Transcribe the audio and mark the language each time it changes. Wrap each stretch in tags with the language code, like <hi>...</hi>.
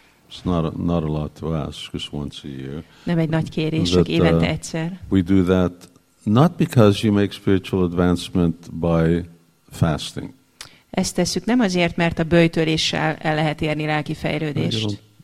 <en>It's not a lot to ask, just once a year.</en> <hu>Nem egy nagy kérés, csak évente egyszer.</hu> <en>We do that not because you make spiritual advancement by fasting.</en> <hu>Ezt tesszük nem azért, mert a böjtöléssel el lehet érni lelki fejlődést.</hu>